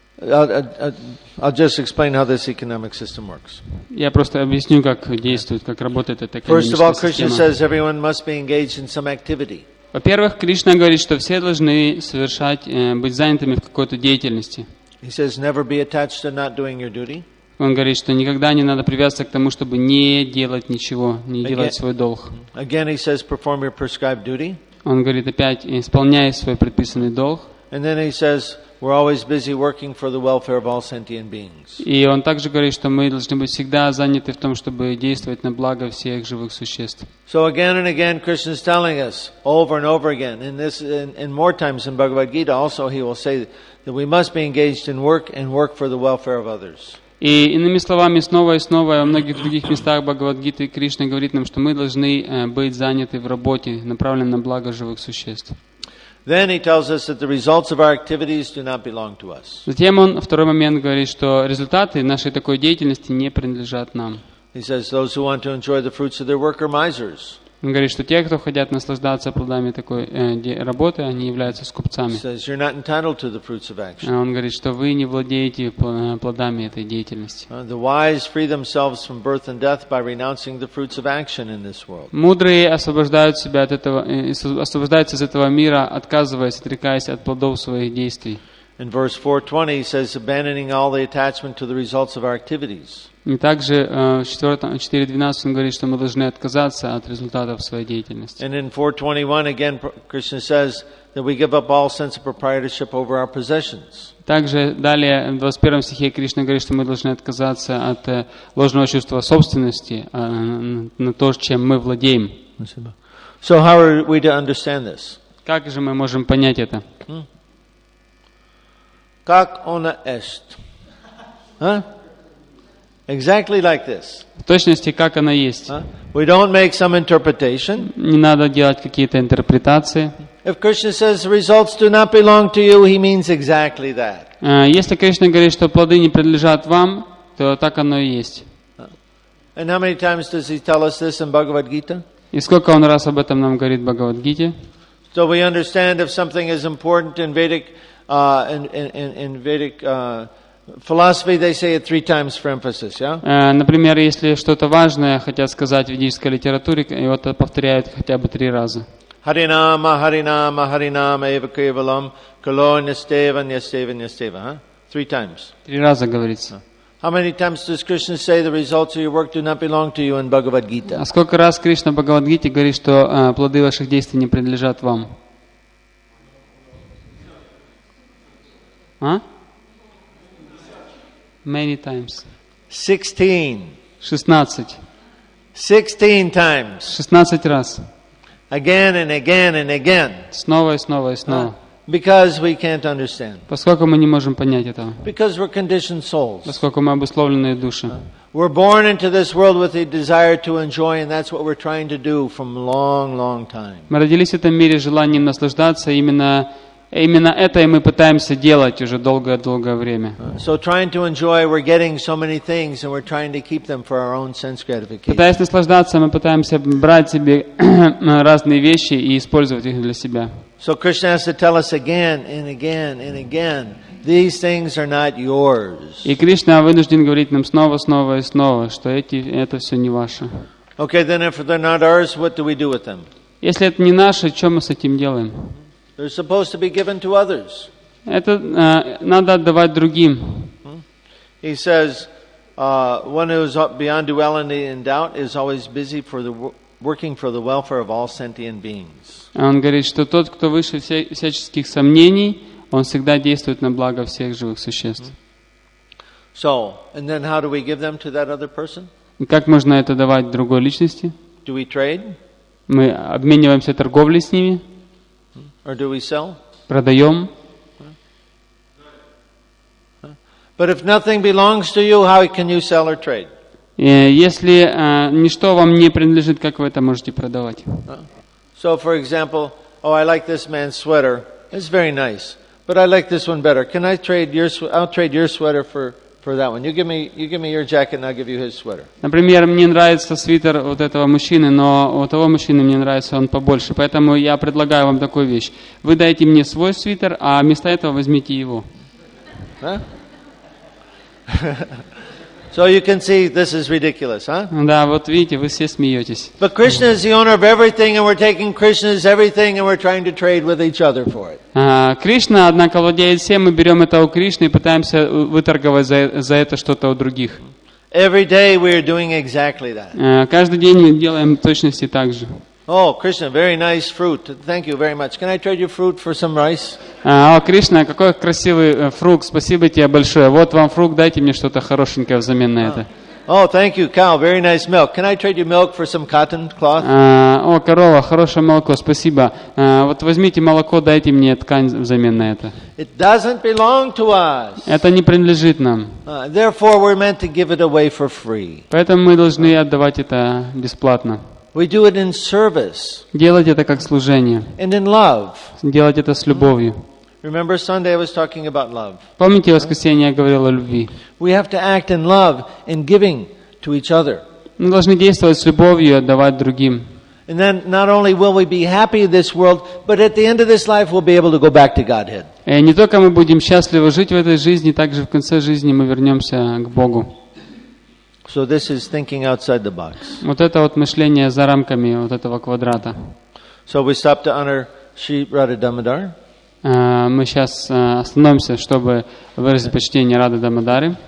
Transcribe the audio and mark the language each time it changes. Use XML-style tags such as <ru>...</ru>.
<en>I'll just explain how this economic system works.</en> <ru>Я просто объясню, как действует, как работает эта экономическая система.</ru> <en>First of all, Krishna says everyone must be engaged in some activity.</en> <ru>Во-первых, Кришна говорит, что все должны совершать, быть занятыми в какой-то деятельности.</ru> <en>He says never be attached to not doing your duty.</en> <ru>Он говорит, что никогда не надо привязываться к тому, чтобы не делать ничего, не делать свой долг.</ru> <en>Again, he says perform your prescribed duty.</en> <ru>Он говорит опять, исполняй свой предписанный долг.</ru> <en>And then he says, we're always busy working for the welfare of all sentient beings.</en> <ru>И он также говорит, что мы должны быть всегда заняты в том, чтобы действовать на благо всех живых существ.</ru> <en>So again and again, Krishna is telling us over and over again, and more times in Bhagavad Gita, also he will say that we must be engaged in work and work for the welfare of others.</en> <ru>И иными словами, снова и снова во многих других местах Бхагавад-гиты Кришна говорит нам, что мы должны быть заняты в работе, направленной на благо живых существ.</ru> <en>Then he tells us that the results of our activities do not belong to us.</en> <ru>Затем он второй момент говорит, что результаты нашей такой деятельности не принадлежат нам.</ru> <en>He says those who want to enjoy the fruits of their work are misers.</en> <ru>Он говорит, что те, кто хотят наслаждаться плодами такой работы, они являются скупцами.</ru> <en>He says you're not entitled to the fruits of action.</en> <ru>Он говорит, что вы не владеете плодами этой деятельности.</ru> <en>The wise free themselves from birth and death by renouncing the fruits of action in this world.</en> <ru>Мудрые освобождают себя от этого, освобождаются из этого мира, отказываясь, отрекаясь от плодов своих действий.</ru> <en>In verse 4:20 he says abandoning all the attachment to the results of our activities.</en> <ru>И также в 4:12 он говорит, что мы должны отказаться от результатов своей деятельности.</ru> <en>And in 4:21 again Krishna says that we give up all sense of proprietorship over our possessions.</en> <ru>Также далее в 21 стихе Кришна говорит, что мы должны отказаться от ложного чувства собственности на то, чем мы владеем.</ru> <en>So how are we to understand this?</en> <ru>Как же мы можем понять это? Как она ест?</ru> <en>Exactly like this.</en> <ru>В точности, как она есть.</ru> <en>We don't make some interpretation.</en> <ru>Не надо делать какие-то интерпретации.</ru> <en>If Krishna says results do not belong to you, he means exactly that.</en> <ru>Если Кришна говорит, что плоды не принадлежат вам, то так оно и есть.</ru> <en>And how many times does he tell us this in Bhagavad Gita?</en> <ru>И сколько он раз об этом нам говорит в Бхагавад Гите?</ru> <en>So we understand if something is important in Vedic philosophy, they say it three times for emphasis, yeah?</en> <ru>Например, если что-то важное хотят сказать в ведической литературе, его то повторяют хотя бы три раза.</ru> <sa>Харинама, харинама, харинама, эва кевалам, кало нистева, нистева, нистева,</sa> <en>Three times.</en> <ru>Три раза говорится.</ru> <en>How many times does Krishna say the results of your work do not belong to you in Bhagavad Gita?</en> <ru>А сколько раз Кришна в Бхагавад Гите говорит, что плоды ваших действий не принадлежат вам?</ru> <en>Many times. 16 times.</en> <ru>16 раз.</ru> <en>Again and again and again.</en> <ru>Снова и снова и снова.</ru> <en>Because we can't understand.</en> <ru>Поскольку мы не можем понять этого.</ru> <en>Because we're conditioned souls.</en> <ru>Поскольку мы обусловленные души.</ru> <en>We're born into this world with a desire to enjoy, and that's what we're trying to do from long, long time.</en> <ru>Мы родились в этом мире желанием наслаждаться, именно это и мы пытаемся делать уже долгое-долгое время.</ru> <en>So trying to enjoy, we're getting so many things, and we're trying to keep them for our own sense gratification.</en> <ru>Пытаясь наслаждаться, мы пытаемся брать себе разные вещи и использовать их для себя.</ru> <en>So Krishna has to tell us again and again and again, these things are not yours.</en> <ru>И Кришна вынужден говорить нам снова, снова и снова, что это все не ваше.</ru> <en>Okay, then if they're not ours, what do we do with them?</en> <ru>Если это не наше, что мы с этим делаем?</ru> <en>They're supposed to be given to others.</en> <ru>Это надо отдавать другим.</ru> <en>He says, one who is beyond duality and doubt is always busy for the working for the welfare of all sentient beings.</en> <ru>Он говорит, что тот, кто выше всяческих сомнений, он всегда действует на благо всех живых существ.</ru> <en>So, and then how do we give them to that other person?</en> <ru>Как можно это давать другой личности?</ru> <en>Do we trade?</en> <ru>Мы обмениваемся торговлей с ними?</ru> <en>Or do we sell?</en> <ru>Продаём.</ru> <en>But if nothing belongs to you, how can you sell or trade?</en> <ru>Если ничто вам не принадлежит, как вы это можете продавать?</ru> <en>So, for example, oh, I like this man's sweater. It's very nice. But I like this one better. Can I trade your sweater for that one? You give me your jacket, and I'll give you his sweater.</en> <ru>Например, мне нравится свитер вот этого мужчины, но у того мужчины мне нравится он побольше. Поэтому я предлагаю вам такую вещь. Вы дайте мне свой свитер, а вместо этого возьмите его.</ru> <en>So you can see this is ridiculous, huh?</en> <ru>Да, вот видите, вы все смеетесь.</ru> <en>But Krishna is the owner of everything, and we're taking Krishna's everything, and we're trying to trade with each other for it.</en> <ru>Кришна, однако, владеет всем, мы берем это у Кришны и пытаемся выторговать за это что-то у других.</ru> <en>Every day we are doing exactly that.</en> <ru>Каждый день мы делаем точности так же.</ru> <en>Oh, Krishna, very nice fruit. Thank you very much. Can I trade you fruit for some rice?</en> <ru>Кришна, какой красивый фрукт. Спасибо тебе большое. Вот вам фрукт. Дайте мне что-то хорошенькое взамен на это.</ru> <en>Oh, thank you, cow. Very nice milk. Can I trade you milk for some cotton cloth?</en> <ru>Корова, хорошее молоко. Спасибо. Вот возьмите молоко, дайте мне ткань взамен на это.</ru> <en>It doesn't belong to us.</en> <ru>Это не принадлежит нам.</ru> <en>Therefore, we're meant to give it away for free.</en> <ru>Поэтому мы должны отдавать это бесплатно.</ru> <en>We do it in service.</en> <ru>Делать это как служение.</ru> <en>And in love.</en> <ru>Делать это с любовью.</ru> <en>Remember Sunday I was talking about love.</en> <ru>Помните, воскресенье я говорил о любви.</ru> <en>We have to act in love and giving to each other.</en> <ru>Мы должны действовать с любовью и отдавать другим.</ru> <en>And then not only will we be happy in this world, but at the end of this life we'll be able to go back to Godhead.</en> <ru>И не только мы будем счастливы жить в этой жизни, также в конце жизни мы вернемся к Богу.</ru> <en>So this is thinking outside the box.</en> <ru>Вот это вот мышление за рамками вот этого квадрата.</ru> <en>So we stop to honor Sri Radha Damodar.</en> <ru>Мы сейчас остановимся, чтобы выразить почтение Радхе Дамодаре.</ru>